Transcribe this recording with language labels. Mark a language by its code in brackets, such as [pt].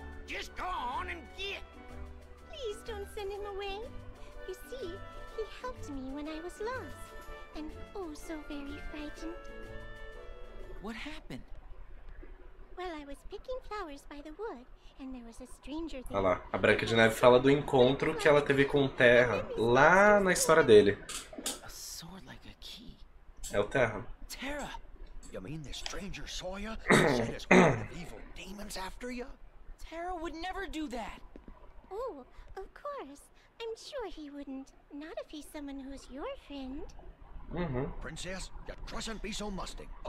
[en] Just go on and get. Please don't send him away. You see, he helped me when I was lost. And oh, so very frightened. What happened? Well, I was picking flowers by the wood, and there was a stranger there. [pt] Olha lá, a Branca de Neve fala do encontro que ela teve com o Terra lá na história dele. [en] A sword like a key. [pt] É o Terra. [en] Terra! You mean this stranger saw you? Said his evil demons after you? Terra would never do that. Oh, of course. I'm sure he wouldn't. Not if he's someone who's your friend. Uhum. Princess, you mustn't be so musting.